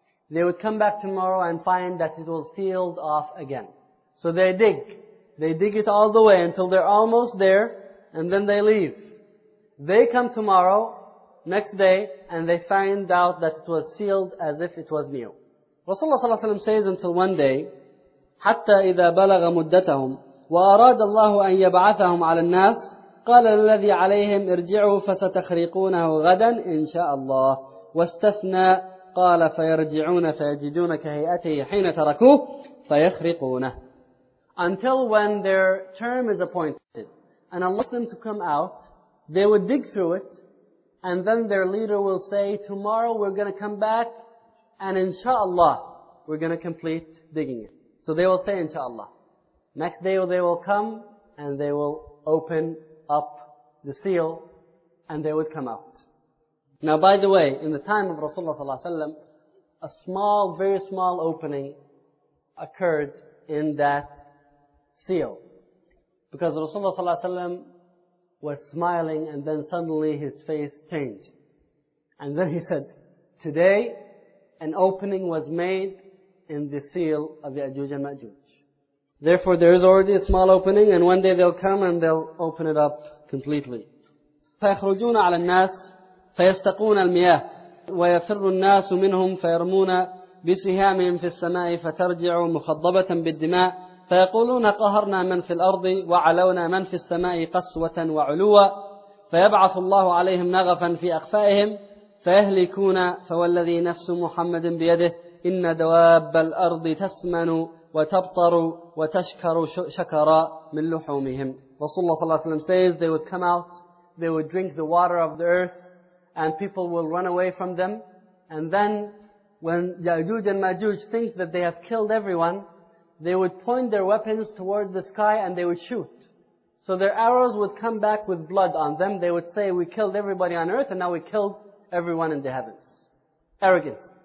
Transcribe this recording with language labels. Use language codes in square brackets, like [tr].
[en] They would come back tomorrow and find that it was sealed off again. So they dig. They dig it all the way until they're almost there, and then they leave. They come tomorrow, next day, and they find out that it was sealed as if it was new. Rasulullah ﷺ says, until one day, [ar] حَتَّى إِذَا بَلَغَ مُدَّتَهُمْ وأراد الله أن يبعثهم على الناس قال الذي عليهم ارجعوا فستخرقونه غدا إن شاء الله واستثنى قال فيرجعون فيجدون كهيئته حين تركوه فيخرقونه. [en] until when their term is appointed, and allow them to come out, they would dig through it, and then their leader will say, tomorrow we're going to come back, and inshallah, we're going to complete digging it. So they will say, inshallah. Next day they will come, and they will open up the seal, and they would come out. Now by the way, in the time of Rasulullah sallallahu alaihi wasallam, a small, very small opening occurred in that seal. Because Rasulullah sallallahu alaihi wasallam was smiling, and then suddenly his face changed. And then he said, today, an opening was made in the seal of the Ya'juj and Ma'juj. Therefore, there is already a small opening, and one day they'll come and they'll open it up completely. [ar] فَيَخْرُجُونَ عَلَى النَّاسِ فَيَسْتَقُونَ الْمِيَاهِ وَيَفِرُّ النَّاسُ مِنْهُمْ فَيَرْمُونَ بِسِهَامِهِمْ فِي السَّمَاءِ فَتَرْجِعُوا مُخَضَّبَةً بِالدِّمَاءِ فيقولون قهرنا من في الأرض وعلونا من في السماء قسوة وعلوة فيبعث الله عليهم نغفا في أخفائهم فيهلكون فوالذي نفس محمد بيده إن دواب الأرض تسمن وتبطر وتشكر شكرا من لحومهم. رسول الله صلى الله عليه وسلم [en] says, they would come out, they would drink the water of the earth, and people will run away from them. And then when Ya'juj and Ma'juj think that they have killed everyone, they would point their weapons toward the sky and they would shoot. So their arrows would come back with blood on them. They would say, we killed everybody on earth and now we killed everyone in the heavens. Arrogance.